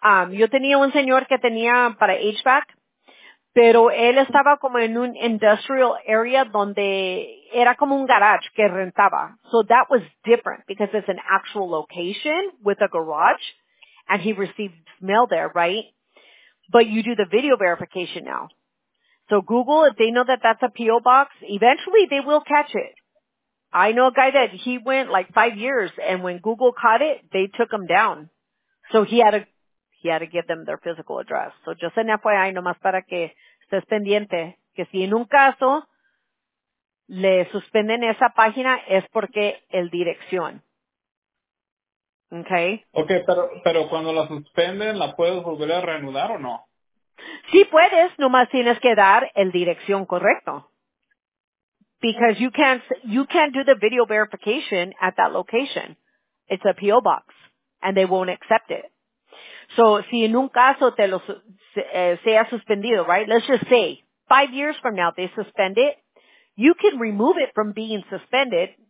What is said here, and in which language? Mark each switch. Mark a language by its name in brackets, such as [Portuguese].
[Spanish] Yo tenía un señor que tenía para HVAC, pero él estaba como en un [English] industrial area [Spanish] donde era como un garage que rentaba. [English] So that was different because it's an actual location with a garage and he received mail there, right? But you do the video verification now. So Google, if they know that that's a P.O. box, eventually they will catch it. I know a guy that he went like 5 years and when Google caught it, they took him down. So he had to give them their physical address. So just an FYI, [Spanish] nomás para que estés pendiente, que si en un caso le suspenden esa página, es porque el dirección. [English] Okay. [Spanish] Okay, pero cuando la suspenden, ¿la puedes volver a reanudar o no? Sí puedes, nomás tienes que dar el dirección correcto. [English] Because you can't do the video verification at that location. It's a P.O. box, and they won't accept it. So, [Spanish] si en un caso te lo sea suspendido, right? [English] Let's just say 5 years from now they suspend it. You can remove it from being suspended.